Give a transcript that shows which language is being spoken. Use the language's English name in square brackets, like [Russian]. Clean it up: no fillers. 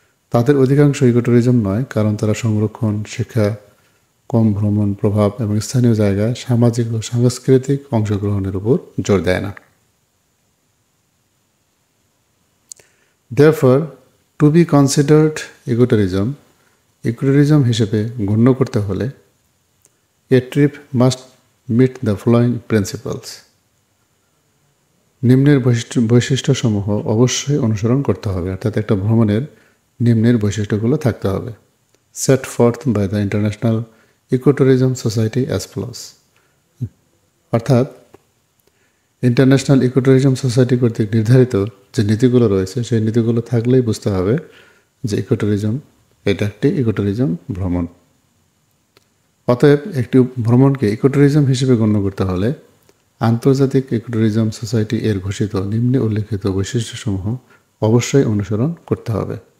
[Bangla] তাদের অধিকাংশ ইকোট্যুরিজম নয়, কারণ তারা সংরক্ষণ, শিক্ষা, কম ভ্রমণ প্রভাব এবং স্থানীয় জায়গায় সামাজিক ও সাংস্কৃতিক অংশগ্রহণের উপর জোর দেয় না. [English] Therefore, to be considered ecotourism, [Bangla] ecotourism হিসেবে গণ্য করতে হলে [English] a trip must meet the following principles. [Bangla] নিম্নের বৈশিষ্ট্যসমূহ অবশ্যই অনুসরণ করতে হবে, অর্থাৎ একটা ভ্রমণের নিম্নের বৈশিষ্ট্যগুলো থাকতে হবে. [English] Set forth by the International Ecotourism Society as follows. [Bangla] অর্থাৎ ইন্টারন্যাশনাল ইকোট্যুরিজম সোসাইটি কর্তৃক নির্ধারিত যে নীতিগুলো রয়েছে সেই নীতিগুলো থাকলেই বুঝতে হবে যে ইকোট্যুরিজম এটা একটি ইকোট্যুরিজম ভ্রমণ. অতএব একটি ভ্রমণকে ইকোট্যুরিজম হিসেবে গণ্য করতে হলে আন্তর্জাতিক ইকোট্যুরিজম সোসাইটি এর ঘোষিত নিম্নে উল্লেখিত বৈশিষ্ট্যসমূহ অবশ্যই অনুসরণ করতে হবে.